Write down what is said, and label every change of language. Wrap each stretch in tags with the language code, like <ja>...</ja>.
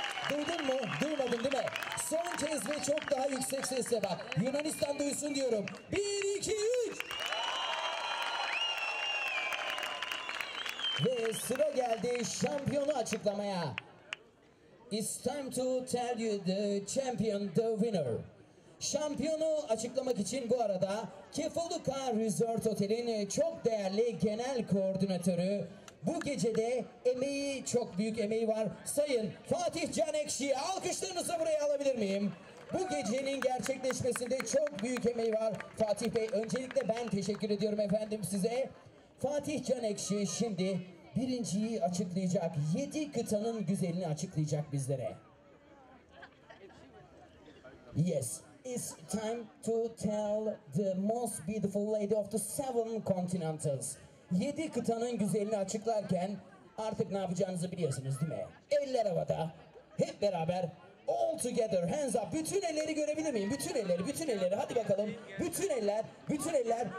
<tr>Duydun mu? Duymadın değil mi? Son kez ve çok daha yüksek sesle bak. Yunanistan duysun diyorum. 1, 2, 3! Ve sıra geldi şampiyonu açıklamaya.</tr> <en>It's time to tell you the champion, the winner.</en> <tr>Şampiyonu açıklamak için bu arada Kefaluka Resort Otel'in çok değerli genel koordinatörü bu gecede emeği, çok büyük emeği var Sayın Fatih Can Ekşi'ye alkışlarınızı buraya alabilir miyim? Bu gecenin gerçekleşmesinde çok büyük emeği var Fatih Bey. Öncelikle ben teşekkür ediyorum efendim size. Fatih Can Ekşi şimdi birinciyi açıklayacak. 7 kıtanın güzelini açıklayacak bizlere.</tr> <en>Yes. It's time to tell the most beautiful lady of the seven continents.</en> <tr>7 kıtanın güzelini açıklarken artık ne yapacağınızı biliyorsunuz değil mi? Eller havada, hep beraber,</tr> <en>all together, hands up.</en> <tr>Bütün elleri görebilir miyim? Bütün elleri, bütün elleri. Hadi bakalım. Bütün eller, bütün eller.</tr>